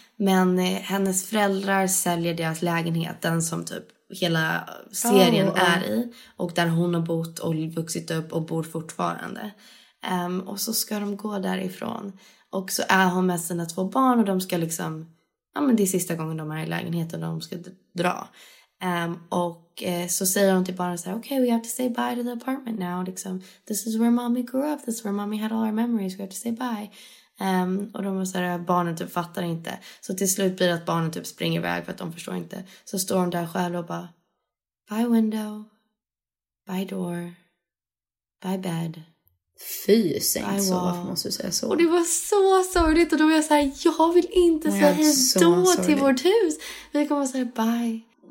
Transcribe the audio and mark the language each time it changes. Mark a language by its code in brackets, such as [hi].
[sv] Men hennes föräldrar säljer deras lägenhet, den som typ hela serien är i. Och där hon har bott och vuxit upp och bor fortfarande. Och så ska de gå därifrån. Och så är hon med sina två barn och de ska liksom... Ja, men det är sista gången de är i lägenheten och de ska dra. Och så säger hon till barnen så här, [en] okay, we have to say bye to the apartment now, [sv] liksom, [en] this is where mommy grew up, this is where mommy had all our memories, we have to say bye. [sv] Och de var så här, barnen typ fattar inte, så till slut blir det att barnen typ springer iväg för att de förstår inte, så står hon där själv och bara, [en] bye window, bye door, bye bed. [sv] Fy sängt, så varför måste du säga så? Och det var så sorgligt, och då var jag så här, jag vill inte säga hejdå till vårt hus, vi kommer att säga bye.